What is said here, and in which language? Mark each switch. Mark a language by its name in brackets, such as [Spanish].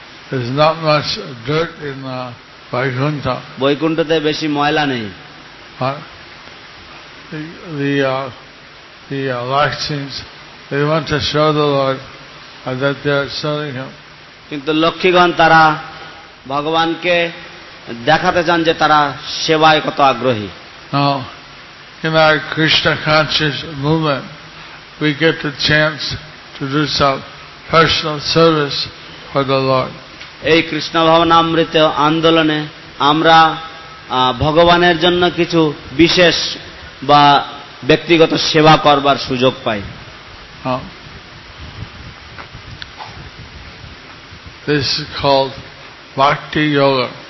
[English] There's not much dirt in Vaikuntha. [Bangla] Vaikuntha te beshi moyla nei. [English] They want to show the Lord that they are serving him. [Bangla] কিন্তু লক্ষ্মীগণ তারা ভগবানকে দেখাতে চান যে তারা সেবায় কত আগ্রহী। [English] Now, in our Krishna conscious movement, we get the chance to do some personal service for the Lord. [Bangla] এই কৃষ্ণ ভাবনামৃত আন্দোলনে আমরা ভগবানের জন্য কিছু বিশেষ বা ব্যক্তিগত সেবা করবার সুযোগ পাই। [English] This is called bhakti yoga.